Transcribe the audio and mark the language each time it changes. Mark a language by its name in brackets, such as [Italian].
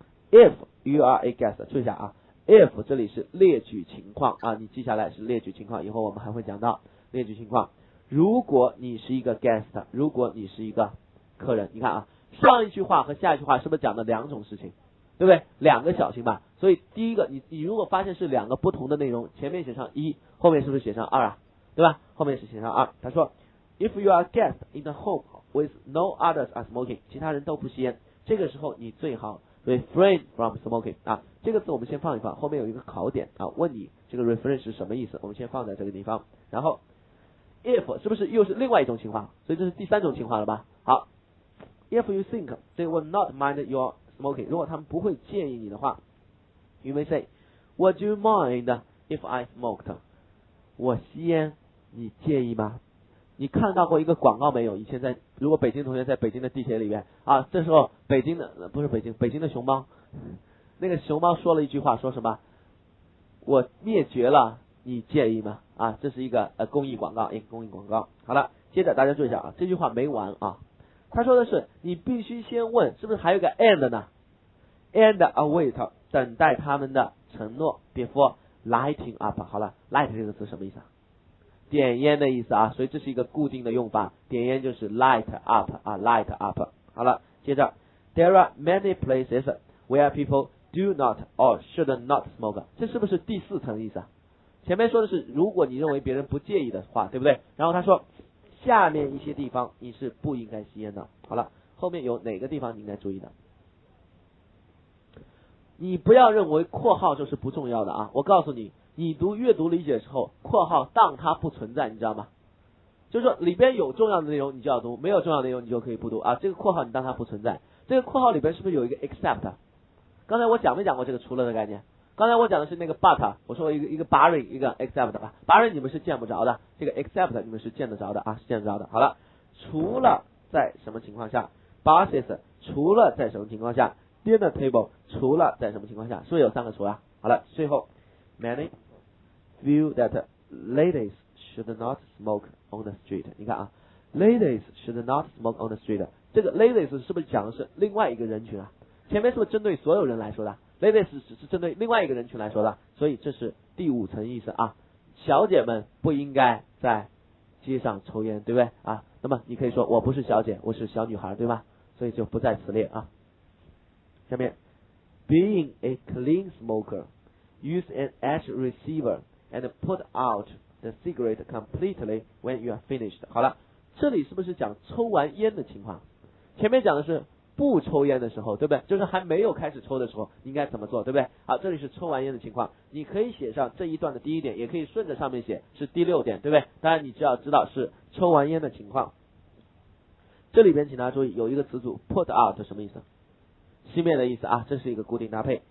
[Chinese] 然后 [English] if you are a guest， [Chinese] 注意一下啊， if 这里是列举情况啊，你记下来是列举情况，以后我们还会讲到列举情况。如果你是一个 guest， 如果你是一个客人，你看啊，上一句话和下一句话是不是讲的两种事情，对不对？两个小心吧。所以第一个，你如果发现是两个不同的内容，前面写上一，后面是不是写上二啊，对吧？后面是写上二。 [English] 他说 If you are a guest in the home with no others are smoking， [Chinese] 其他人都不吸烟，这个时候你最好 [English] refrain from smoking 啊。 [Chinese] 这个字我们先放一放，后面有一个考点啊，问你这个 refrain 是什么意思，我们先放在这个地方。然后 if 是不是又是另外一种情况，所以这是第三种情况了吧。 [English] 好， If you think they will not mind your smoking， [Chinese] 如果他们不会介意你的话， [English] You may say Would you mind if I smoked， [Chinese] 我吸烟你介意吗？你看到过一个广告没有，以前在，如果北京同学在北京的地铁里面啊，这时候北京的，不是北京，北京的熊猫，那个熊猫说了一句话，说什么，我灭绝了你介意吗啊，这是一个公益广告，公益广告。好了，接着大家注意一下啊，这句话没完啊，他说的是你必须先问是不是还有个 and 呢， [English] and await， [Chinese] 等待他们的承诺 [English] before lighting up。 [Chinese] 好了， light 这个词什么意思啊，点烟的意思啊，所以这是一个固定的用法，点烟就是 light up 啊， light up。 [English] 好了，接着 there are many places where people do not or should not smoke， [Chinese] 这是不是第四层意思啊？前面说的是如果你认为别人不介意的话，对不对？然后他说下面一些地方你是不应该吸烟的。好了，后面有哪个地方你应该注意的，你不要认为括号就是不重要的啊，我告诉你，你读阅读理解的时候括号当它不存在，你知道吗？就是说里边有重要的内容你就要读，没有重要的内容你就可以不读啊，这个括号你当它不存在。这个括号里边是不是有一个 except， 刚才我讲没讲过这个除了的概念，刚才我讲的是那个 but， 我说一个 barring 一个 except 吧， barring 你们是见不着的，这个 except 你们是见得着的啊，是见得着的。好了，除了在什么情况下， buses 除了在什么情况下， dinner table 除了在什么情况下，是不是有三个除啊？ [English] 好了，最后 many feel that ladies should not smoke on the street， [Chinese] 你看啊， [English] ladies should not smoke on the street， [Chinese] 这个 ladies 是不是讲的是另外一个人群啊？前面是不是针对所有人来说的，Ladies 只是针对另外一个人群来说的，所以这是第五层意思啊，小姐们不应该在街上抽烟，对不对啊？那么你可以说我不是小姐，我是小女孩，对吧？所以就不在此列啊。下面 [English] Being a clean smoker use an ash receiver and put out the cigarette completely when you are finished。 [Chinese] 好了，这里是不是讲抽完烟的情况，前面讲的是不抽烟的时候，对不对？就是还没有开始抽的时候应该怎么做，对不对？好，这里是抽完烟的情况，你可以写上这一段的第一点，也可以顺着上面写是第六点，对不对？当然你只要知道是抽完烟的情况。这里边请大家注意有一个词组 put out， 什么意思，熄灭的意思啊，这是一个固定搭配。